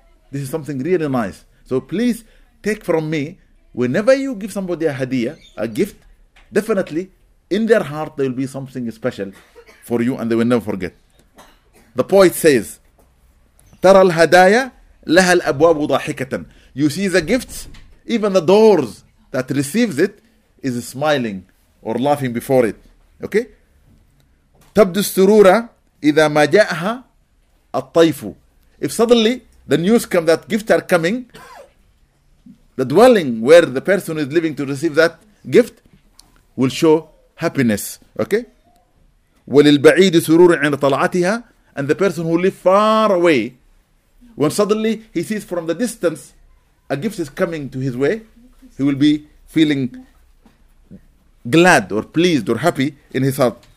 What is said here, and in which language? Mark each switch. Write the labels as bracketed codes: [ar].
[en] This is something really nice. So please take from me, whenever you give somebody a hadiah, a gift, definitely in their heart there will be something special for you and they will never forget. The poet says, [ar] تَرَى الْهَدَايَا لَهَا الْأَبْوَابُ ضَحِكَةً. [en] You see the gifts, even the doors that receives it is smiling or laughing before it. Okay? [ar] تَبْدُ السُّرُورَ إِذَا مَا جَاءَهَا الطَّيْفُ. [en] If suddenly the news comes that gifts are coming, the dwelling where the person is living to receive that gift will show happiness. [ar] Okay? وَلِلْبَعِيدِ سُرُورٍ عِنَ طَلَعَتِهَا. [en] And the person who lives far away, when suddenly he sees from the distance a gift is coming to his way, he will be feeling glad or pleased or happy in his heart.